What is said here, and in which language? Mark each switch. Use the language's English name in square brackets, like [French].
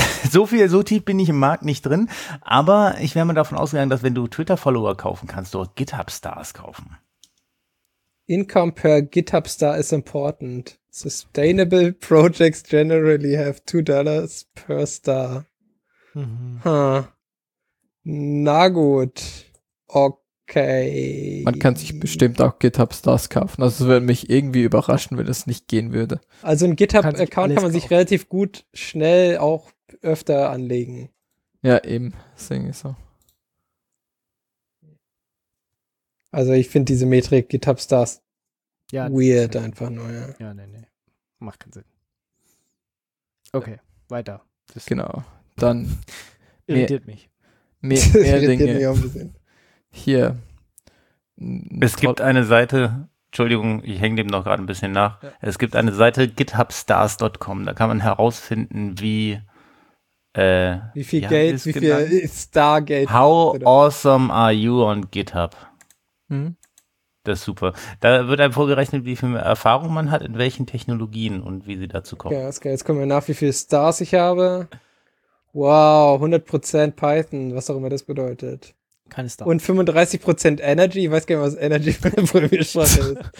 [German] So tief bin ich im Markt nicht drin, aber ich wäre mal davon ausgegangen, dass wenn du Twitter-Follower kaufen kannst, du auch GitHub-Stars kaufen. [English] Income per GitHub Star is important. Sustainable projects generally have $2 per star. [German] Mhm. Na gut. Okay. Man kann sich bestimmt auch GitHub Stars kaufen. Also es würde mich irgendwie überraschen, wenn das nicht gehen würde. Also ein GitHub-Account kann man sich relativ gut schnell auch öfter anlegen. Ja, eben. Deswegen ist so. Also ich finde diese Metrik GitHub Stars ja, weird einfach nur. Ja. Ja, nee, nee. Macht keinen Sinn. Okay, ja. Weiter. Das genau. Dann irritiert mich. Mehr Dinge. Mich auch ein bisschen. Hier. Es gibt eine Seite, Entschuldigung, ich hänge dem noch gerade ein bisschen nach. Ja. Es gibt eine Seite githubstars.com, da kann man herausfinden, wie viel Stargeld. [English] How awesome are you on GitHub? [German] Hm? Das ist super. Da wird einem vorgerechnet, wie viel Erfahrung man hat, in welchen Technologien und wie sie dazu kommen. Ja, okay, ist geil. Jetzt kommen wir nach, wie viele Stars ich habe. Wow, 100% Python, was auch immer das bedeutet. Keine Stars. Und 35% Energy. Ich weiß gar nicht, was Energy von der Programmierschreibe ist.